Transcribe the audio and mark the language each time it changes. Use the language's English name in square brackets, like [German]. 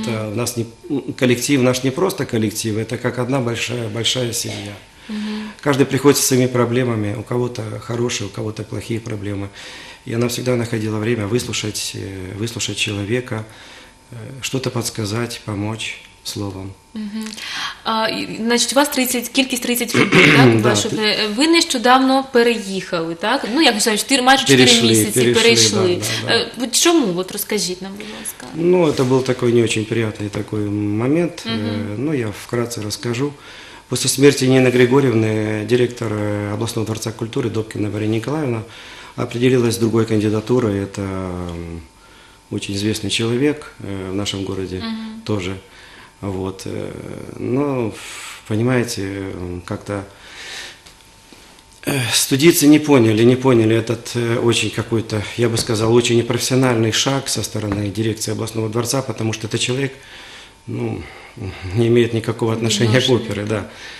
[Russian] Это у нас не, коллектив наш не просто коллектив, это как одна большая семья. Угу. Каждый приходит со своими проблемами, у кого-то хорошие, у кого-то плохие проблемы. И она всегда находила время выслушать человека, что-то подсказать, помочь словом. Угу. [Ukrainian] Значить, у вас 30, кількість 30 років, так? Да, ви нещодавно переїхали, так? Ну, як вже, майже 4 місяці перейшли. Да. Чому? От розкажіть нам, будь ласка. Ну, це був такий не дуже приємний такий момент. Угу. Ну, я вкратце розкажу. [Russian] После смерти Нины Григорьевны директор областного дворца культуры Добкина Мария Николаевна определилась с другой кандидатурой. Это очень известный человек в нашем городе тоже. Вот. Но, понимаете, как-то студийцы не поняли этот очень какой-то, я бы сказал, очень непрофессиональный шаг со стороны дирекции областного дворца, потому что это человек, ну, не имеет никакого отношения к опере, да.